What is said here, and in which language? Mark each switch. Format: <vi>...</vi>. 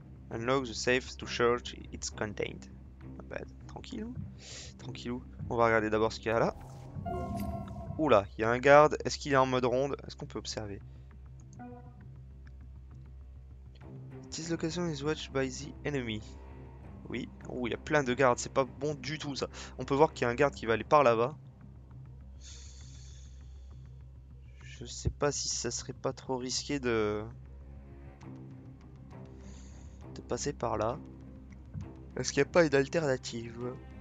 <en>Unlock the safe to search its contained. Not bad.</en> <fr>Tranquillou. Tranquillou. On va regarder d'abord ce qu'il y a là. Oula, il y a un garde. Est-ce qu'il est en mode ronde? Est-ce qu'on peut observer?</fr> <en>This location is watched by the enemy.</en> <fr>Oui. Ouh, il y a plein de gardes. C'est pas bon du tout ça. On peut voir qu'il y a un garde qui va aller par là-bas. Je sais pas si ça serait pas trop risqué de... De passer par là. Est-ce qu'il n'y a pas une alternative?</fr>